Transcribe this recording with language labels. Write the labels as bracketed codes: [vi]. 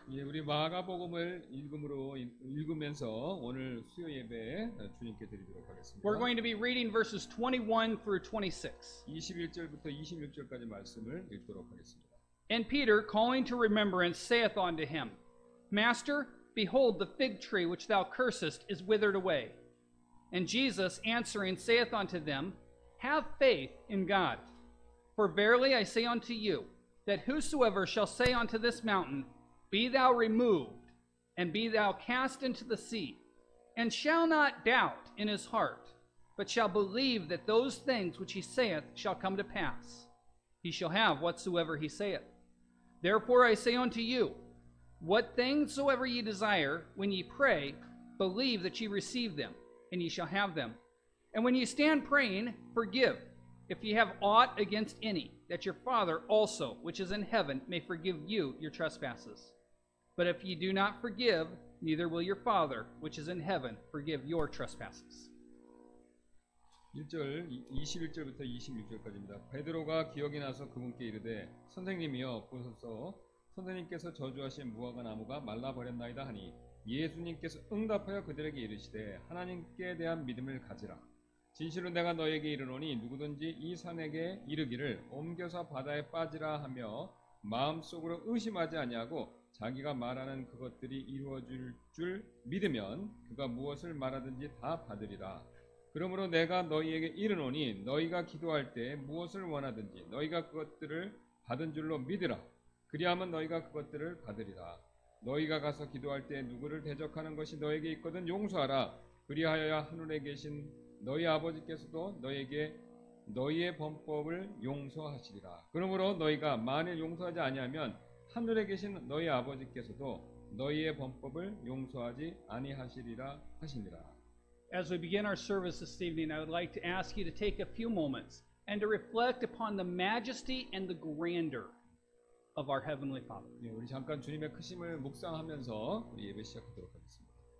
[ko] 예, 우리 마가복음을 읽음으로 읽으면서 오늘 수요 예배 주님께 드리도록 하겠습니다. [en] We're going to be reading verses 21 through 26. [ko] 21절부터 26절까지 말씀을 읽도록 하겠습니다. [en] And Peter, calling to remembrance, saith unto him, Master, behold, the fig tree which thou cursest is withered away. And Jesus, answering, saith unto them, Have faith in God. For verily I say unto you, that whosoever shall say unto this mountain, Be thou removed, and be thou cast into the sea, and shall not doubt in his heart, but shall believe that those things which he saith shall come to pass, he shall have whatsoever he saith. Therefore I say unto you, What things soever ye desire, when ye pray, believe that ye receive them, and ye shall have them. And when ye stand praying, forgive, if ye have aught against any, that your Father also, which is in heaven, may forgive you your trespasses. But if ye do not forgive, neither will your Father, which is in heaven, forgive your trespasses. [ko] 1절, 21절부터 26절까지입니다. 베드로가 기억이 나서 그분께 이르되, 선생님이여, 보소서, 선생님께서 저주하신 무화과 나무가 말라버렸나이다 하니, 예수님께서 응답하여 그들에게 이르시되, 하나님께 대한 믿음을 가지라. 진실로 내가 너에게 이르노니 누구든지 이 산에게 이르기를 옮겨서 바다에 빠지라 하며 마음속으로 의심하지 아니하고 자기가 말하는 그것들이 이루어질 줄 믿으면 그가 무엇을 말하든지 다 받으리라. 그러므로 내가 너희에게 이르노니 너희가 기도할 때 무엇을 원하든지 너희가 그것들을 받은 줄로 믿으라. 그리하면 너희가 그것들을 받으리라. 너희가 가서 기도할 때 누구를 대적하는 것이 너에게 있거든 용서하라. 그리하여야 하늘에 계신 너희 아버지께서도 너에게 너희의 범법을 용서하시리라. 그러므로 너희가 만일 용서하지 아니하면 하늘에 계신 너희 아버지께서도 너희의 범법을 용서하지 아니하시리라 하시니라. [en] As we begin our service this evening, I would like to ask you to take a few moments and to reflect upon the majesty and the grandeur of our heavenly Father. [ko] 예, 우리 잠깐 주님의 크심을 묵상하면서 우리 예배 시작하도록 하겠습니다.